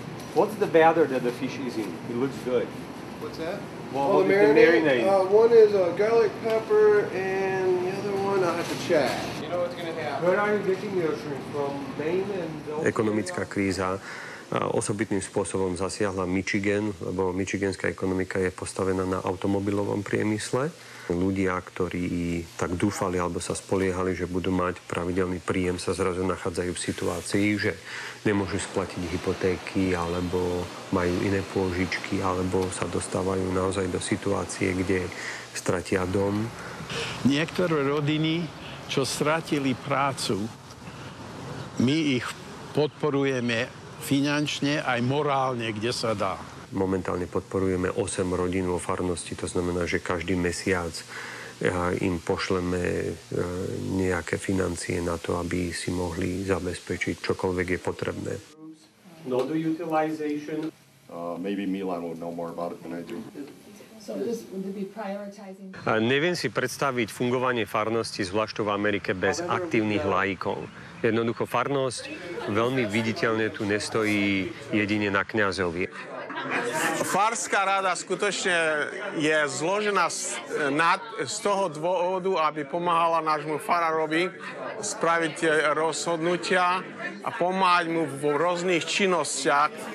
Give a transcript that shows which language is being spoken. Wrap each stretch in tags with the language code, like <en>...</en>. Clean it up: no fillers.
<en>What's the batter that the fish is in? It looks good. What's that? What's the marinade? One is garlic pepper and the other one, I'll have to check. You know what's going to happen. Where are you getting your shrimp from? Maine and...</en> <sk>Ekonomická kríza. A osobitným spôsobom zasiahla Michigan, lebo michiganská ekonomika je postavená na automobilovom priemysle. Ľudia, ktorí tak dúfali alebo sa spoliehali, že budú mať pravidelný príjem, sa zrazu nachádzajú v situácii, že nemôžu splatiť hypotéky alebo majú iné pôžičky alebo sa dostávajú naozaj do situácie, kde stratia dom. Niektoré rodiny, čo stratili prácu, my ich podporujeme finančne aj morálne, kde sa dá. Momentálne podporujeme 8 rodín vo farnosti, to znamená, že každý mesiac im pošleme nejaké financie na to, aby si mohli zabezpečiť čokoľvek je potrebné.</sk> <en>No do utilization. Maybe Milan would know more about it than I do.</en> <sk>Neviem si predstaviť fungovanie farnosti, zvlášť v Amerike, bez aktívnych laikov. Jednoducho, farnosť veľmi viditeľne tu nestojí jedine na kňazovi. Farská rada skutočne je zložená z toho dôvodu, aby pomáhala nášmu farárovi spraviť tie rozhodnutia a pomáhať mu v rôznych činnostiach.</sk>